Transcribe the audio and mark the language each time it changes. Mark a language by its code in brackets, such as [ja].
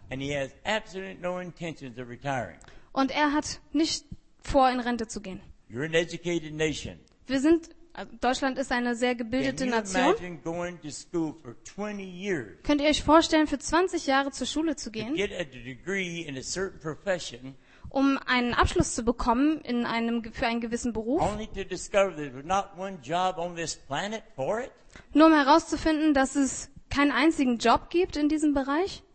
[en] And he has absolutely no intentions of retiring. [de] Und er hat nicht vor, in Rente zu gehen. [en] You're an educated nation. [de] Wir sind, Deutschland ist eine sehr gebildete Nation. [en] Can you imagine going to school for 20 years? [de] Könnt ihr euch vorstellen, für 20 Jahre zur Schule zu gehen, [en] to get a degree in a certain profession, [de] um einen Abschluss zu bekommen in einem, für einen gewissen Beruf, [en] only to discover that there's not one job on this planet for it? [de] Nur um herauszufinden, dass es keinen einzigen Job gibt in diesem Bereich?